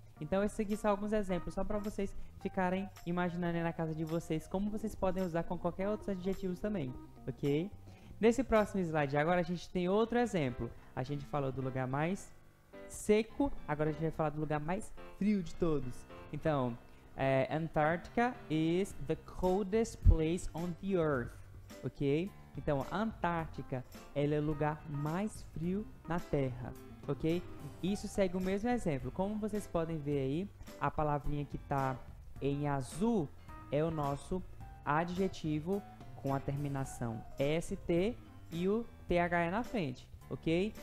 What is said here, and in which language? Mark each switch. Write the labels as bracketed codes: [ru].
[pt] Então, esses aqui são alguns exemplos, só para vocês ficarem imaginando aí na casa de vocês como vocês podem usar com qualquer outro adjetivo também, ok? Nesse próximo slide, agora a gente tem outro exemplo. A gente falou do lugar mais seco, agora a gente vai falar do lugar mais frio de todos. Então, [en] Antarctica is the coldest place on the earth, ok? [pt] Então, Antarctica, ela é o lugar mais frio na Terra, ok? Isso segue o mesmo exemplo. Como vocês podem ver aí, a palavrinha que está em azul é o nosso adjetivo com a terminação EST e o THE na frente, ok?